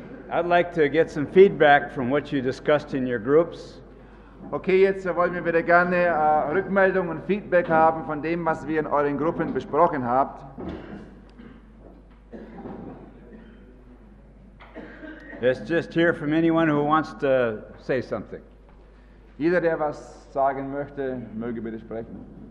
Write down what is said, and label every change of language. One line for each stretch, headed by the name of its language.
English: I'd like to get some feedback from what you discussed in your groups.
German: Okay, jetzt wollen wir wieder gerne Rückmeldung und Feedback haben von dem, was wir in euren Gruppen besprochen habt.
English: Let's just hear from anyone who wants to say something.
German: Jeder, der was sagen möchte, möge bitte sprechen.